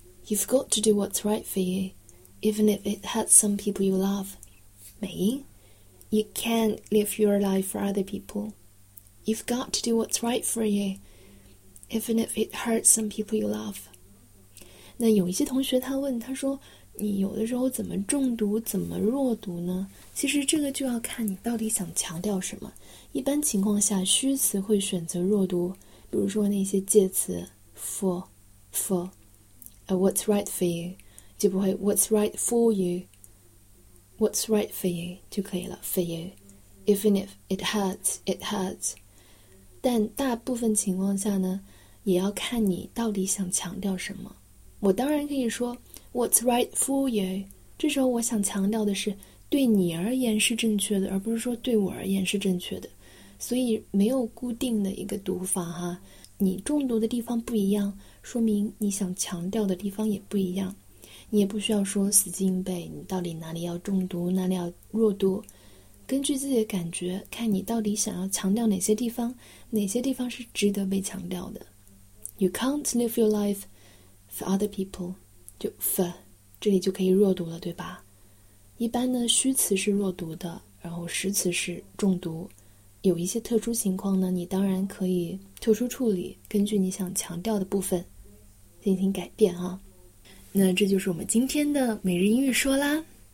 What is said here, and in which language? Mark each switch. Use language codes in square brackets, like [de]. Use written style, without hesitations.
[en] You've got to do what's right for you. Even if it hurts some people you love, [zh] 美音 [en] You can't live your life for other people. You've got to do what's right for you, even if it hurts some people you love. [zh] 那有一些同学他问，他说你有的时候怎么重读，怎么弱读呢？其实这个就要看你到底想强调什么。一般情况下，虚词会选择弱读，比如说那些介词 for, [en] what's right for you, [zh] 就不会 [en] what's right for you, what's right for you [zh] 就可以了 for you. [en] Even if it hurts, it hurts. [zh] 但大部分情况下呢，也要看你到底想强调什么。我当然可以说 [en] What's right for you? [zh] 这时候我想强调的是对你而言是正确的，而不是说对我而言是正确的。所以没有固定的一个读法哈，你重读的地方不一样，说明你想强调的地方也不一样。你也不需要说死记硬背，你到底哪里要重读，哪里要弱读。根据自己的感觉，看你到底想要强调哪些地方，哪些地方是值得被强调的。 [en] You can't live your life for other people. [zh] 就 for, 这里就可以弱读了，对吧？一般呢，虚词是弱读的，然后实词是重读。有一些特殊情况呢，你当然可以特殊处理，根据你想强调的部分进行改变啊。那这就是我们今天的每日英语说啦。